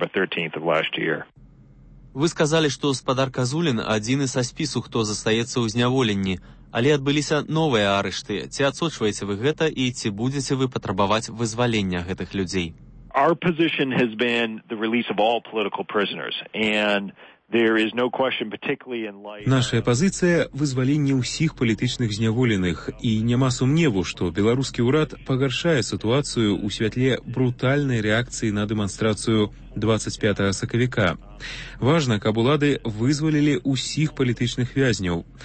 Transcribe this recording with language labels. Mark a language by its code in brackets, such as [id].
[be] Вы сказалі, што спадар Казулін адзіны са спісу, хто застаецца ў зняволенні, але адбыліся новыя арышты. Ці адсочваеце вы гэта і ці будзеце вы патрабаваць вызвалення гэтых людзей? [en] Our position has been the release of all political prisoners, and there is no question, particularly in light. [be] Наша пазіцыя — вызваленне ўсіх палітычных зняволеных, і няма сумневу, што беларускі ўрад пагаршае сітуацыю ў святле брутальнай рэакцыі на дэманстрацыю 25 сакавіка. Важна, каб улады вызвалілі ўсіх палітычных вязняў.